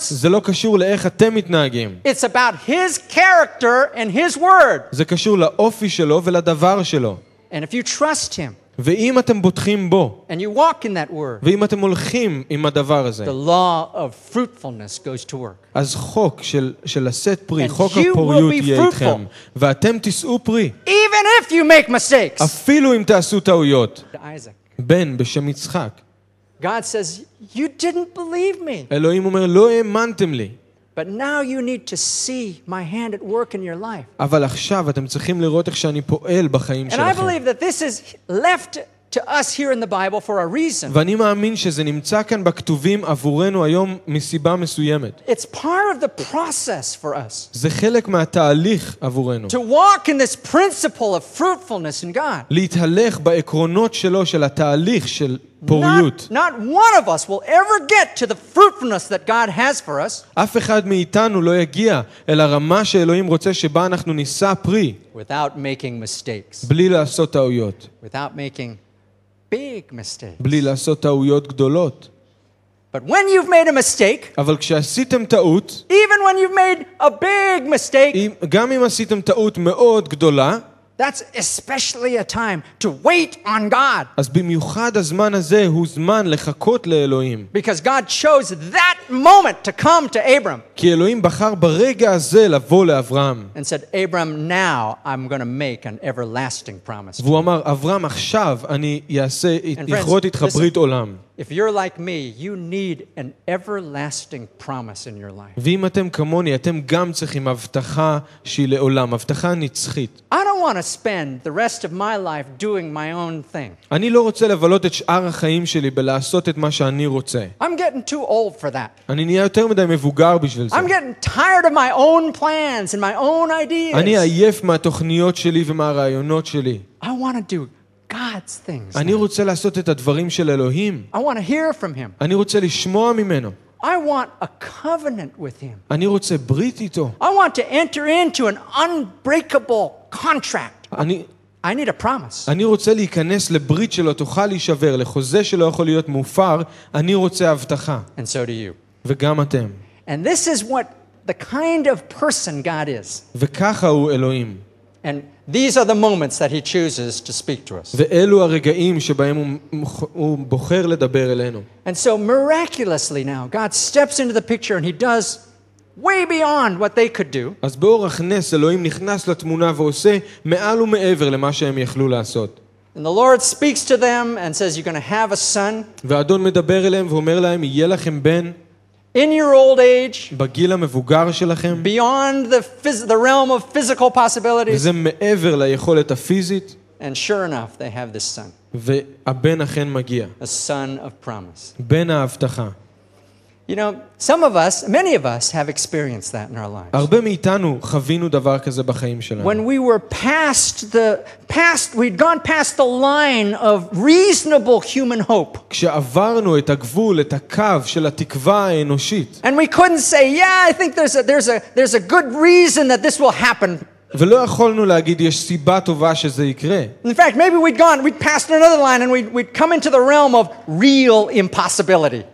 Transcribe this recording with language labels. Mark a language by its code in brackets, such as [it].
[he] זה לא קשור לאיך אתם מתנהגים. [en] It's about his character and his word. [he] זה קשור לאופי שלו ולדבר שלו. [en] And if you trust him, [he] ואם אתם בוטחים בו, [en] and you walk in that word, [he] ואם אתם הולכים עם הדבר הזה, [en] the law of fruitfulness goes to work. [he] אז חוק של לשאת פרי, חוק הפוריות יהיה איתכם, ואתם תשאו פרי. [en] Even if you make mistakes, [he] אפילו אם תעשו טעויות, [en] Isaac, [he] בן בשם יצחק, [en] God says, you didn't believe me. [he] אלוהים אומר, לא האמנתם לי. [en] But now you need to see my hand at work in your life. [he] אבל עכשיו אתם צריכים לראות איך שאני פועל בחיים שלכם. [en] And I believe that this is left to us here in the Bible for a reason. [he] ואני מאמין שזה נמצא כאן בכתובים עבורנו היום מסיבה מסוימת. [en] It's part of the process for us. [he] זה חלק מהתהליך עבורנו. [en] To walk in this principle of fruitfulness in God. [he] להתהלך בעקרונות שלו של התהליך של פוריות. [en] Not one of us will ever get to the fruitfulness that God has for us. [he] אף אחד מאיתנו לא יגיע אל הרמה שאלוהים רוצה שבה אנחנו נישא פרי. [en] Without making mistakes. [he] בלי לעשות טעויות. [en] Without making big mistakes. [he] בלי לעשות טעויות גדולות. [en] But when you've made a mistake, [he] אבל כשעשיתם טעות, [en] even when you've made a big mistake, [he] גם אם עשיתם טעות מאוד גדולה, [en] that's especially a time to wait on God. [he] אז במיוחד הזמן הזה הוא זמן לחכות לאלוהים. [en] Because God chose that moment to come to Abram. [he] כי אלוהים בחר ברגע הזה לבוא לאברהם. [en] And said, Abram, now I'm going to make an everlasting promise. [he] והוא אמר, אברהם, עכשיו אני אעשה, אכרות איתך ברית עולם. [en] If you're like me, you need an everlasting promise in your life. [he] ואם אתם כמוני, אתם גם צריכים הבטחה שהיא לעולם, הבטחה נצחית. [en] I don't want to spend the rest of my life doing my own thing. [he] אני לא רוצה לבלות את שאר החיים שלי בלעשות את מה שאני רוצה. [en] I'm getting too old for that. [he] אני נהיה יותר מדי מבוגר בשביל זה. [en] I'm getting tired of my own plans and my own ideas. [he] אני עייף מהתוכניות שלי ומהרעיונות שלי. [en] I want to do God's things. [he] אני רוצה לעשות את הדברים של אלוהים. [en] I want to hear from him. [he] אני רוצה לשמוע ממנו. [en] I want a covenant with him. [he] אני רוצה ברית איתו. [en] I want to enter into an unbreakable contract. I need a promise. [he] אני רוצה להיכנס לברית שלא תוכל להישבר, לחוזה שלא יכול להיות מופר. אני רוצה הבטחה. [en] And so do you. [he] וגם אתם. [en] And this is what the kind of person God is. [he] וככה הוא אלוהים. [en] And these are the moments that he chooses to speak to us. [he] ואלו הרגעים שבהם הוא בוחר לדבר אלינו. [en] And so miraculously now God steps into the picture and he does way beyond what they could do. [he] אז באורח נס אלוהים נכנס לתמונה ועושה מעל ומעבר למה שהם יכלו לעשות. [en] And the Lord speaks to them and says you're going to have a son. [he] ואדון מדבר אליהם ואומר להם יהיה לכם בן. [en] In your old age, [he] בגיל המבוגר שלכם, [en] beyond the realm of physical possibilities, [he] וזה מעבר ליכולת הפיזית, [en] and sure enough, they have this son. [he] והבן אכן מגיע. [en] A son of promise. [he] בן ההבטחה. [en] You know, some of us, many of us have experienced that in our lives. [he] הרבה מאיתנו חווינו דבר כזה בחיים שלנו. [en] When we were past the line of reasonable human hope. [he] כשעברנו את הגבול, את הקו של התקווה האנושית. [en] And we couldn't say, "Yeah, I think there's a good reason that this will happen." [he] ולא יכולנו להגיד יש סיבה טובה שזה יקרה. [en] In fact, maybe we'd passed another line and we'd come into the realm of real impossibility.